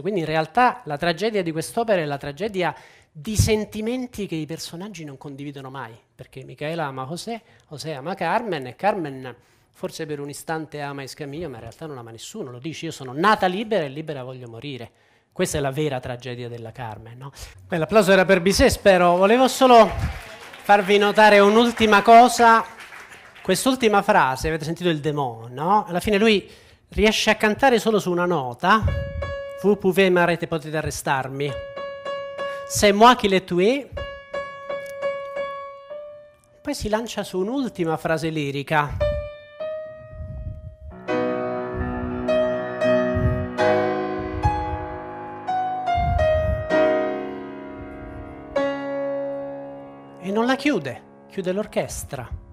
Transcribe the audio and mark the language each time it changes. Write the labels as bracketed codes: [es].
[it] Quindi in realtà la tragedia di quest'opera è la tragedia di sentimenti che i personaggi non condividono mai, perché Micaela ama José, José ama Carmen, e Carmen forse per un istante ama Escamillo, ma in realtà non ama nessuno, lo dice: io sono nata libera e libera voglio morire. Questa è la vera tragedia della Carmen, no? Beh, l'applauso era per Bizet, spero. Volevo solo farvi notare un'ultima cosa. Quest'ultima frase, avete sentito il démon, no? Alla fine lui riesce a cantare solo su una nota. [fr] Vous pouvez m'arrêter, [it] potete arrestarmi. [fr] C'est moi qui l'ai tué. [it] Poi si lancia su un'ultima frase lirica. E non la chiude, chiude l'orchestra.